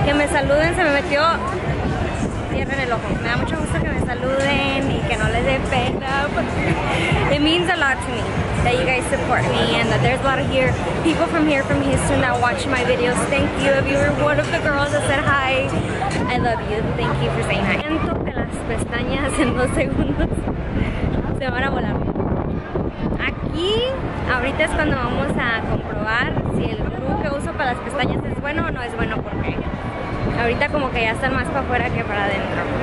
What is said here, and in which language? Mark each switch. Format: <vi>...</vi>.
<es>Saluden, se me metió tierra en el ojo. Me da mucho gusto que me saluden y que no les dé pena.</es> <en>It means a lot to me that you guys support me and that there's a lot of here people from here, from Houston, that watch my videos. Thank you. If you were one of the girls that said hi, I love you. Thank you for saying hi.</en> <es>Siento que las pestañas en dos segundos se van a volar. Aquí, ahorita es cuando vamos a comprobar si el glue que uso para las pestañas es bueno o no es bueno, porque ahorita como que ya están más para afuera que para adentro.</es>